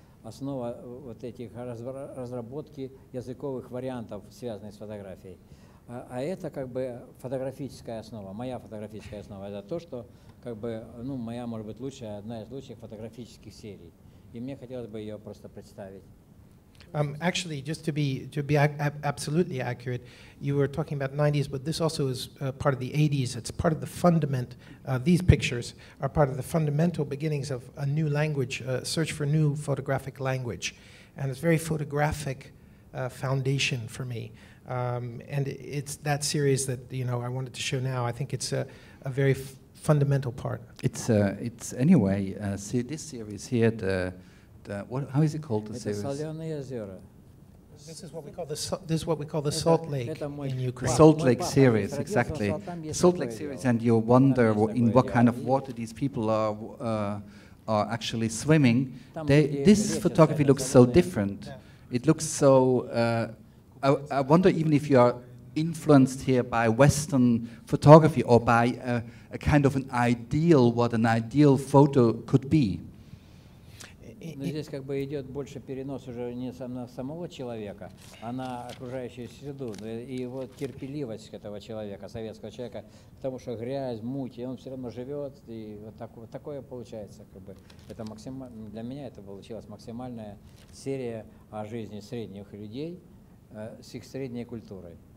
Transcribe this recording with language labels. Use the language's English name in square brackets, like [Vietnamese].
[Russian] Основа вот этих разработки языковых вариантов, связанных с фотографией. А это как бы фотографическая основа, моя фотографическая основа. Это то, что как бы, ну, моя, может быть, лучшая, одна из лучших фотографических серий. И мне хотелось бы ее просто представить. [English] Actually, just to be absolutely accurate, you were talking about 90s, but this also is part of the 80s. It's part of the fundament. These pictures are part of the fundamental beginnings of a new language, search for new photographic language. And it's very photographic foundation for me. And it's that series that, you know, I wanted to show now. I think it's a very fundamental part. It's anyway, see this series here, how is it called, the series? This is what we call the Salt Lake in Ukraine. The Salt Lake series, exactly. The Salt Lake series, and you wonder in what kind of water these people are actually swimming. This photography looks so different. It looks so... I wonder even if you are influenced here by Western photography or by a kind of an ideal, what an ideal photo could be. [Russian] Здесь как бы идет больше перенос уже не на самого человека, а на окружающую среду и вот терпеливость этого человека, советского человека, потому что грязь, муть, и он все равно живет, и вот такое получается, как бы это максимально для меня это получилась максимальная серия о жизни средних людей с их средней культурой.